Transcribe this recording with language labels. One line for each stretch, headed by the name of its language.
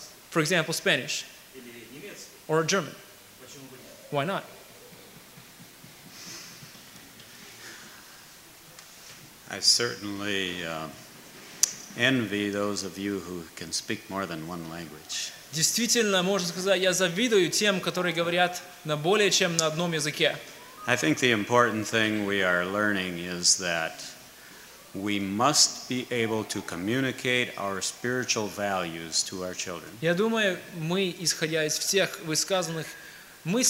English: For example, Spanish. Or German. Why not? I certainly envy those of you who can speak more than one language.
Russian: Действительно, можно сказать, я завидую тем, которые говорят на более чем на одном языке.
English: I think the important thing we are learning is that we must be able to communicate our spiritual values to our children.
Russian: Я думаю, мы, исходя из всех высказанных мыслей,